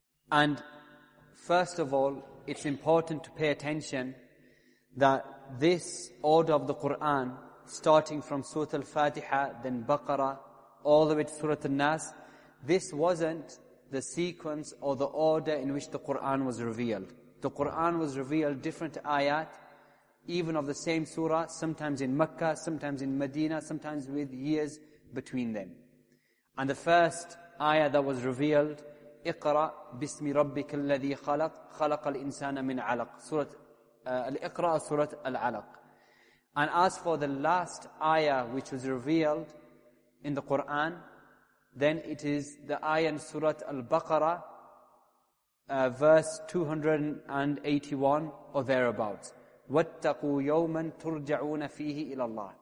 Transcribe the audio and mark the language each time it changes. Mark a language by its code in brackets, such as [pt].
[en] And first of all, it's important to pay attention that this order of the Quran, starting from Surah Al-Fatiha, then Baqarah, all the way to Surah An-Nas, this wasn't the sequence or the order in which the Quran was revealed. The Quran was revealed different ayat, even of the same surah, sometimes in Mecca, sometimes in Medina, sometimes with years between them. And the first ayah that was revealed, [ar] اقرأ بسم ربك الذي خلق خلق الإنسان من علق. [en] Surah Al-Iqra, Surah Al-Alaq. And as for the last ayah which was revealed in the Quran, then it is the ayah in Surah Al-Baqarah, verse 281 or thereabouts. [ar] وَاتَّقُوا يَوْمًا تُرْجَعُونَ فِيهِ إِلَى اللَّهِ.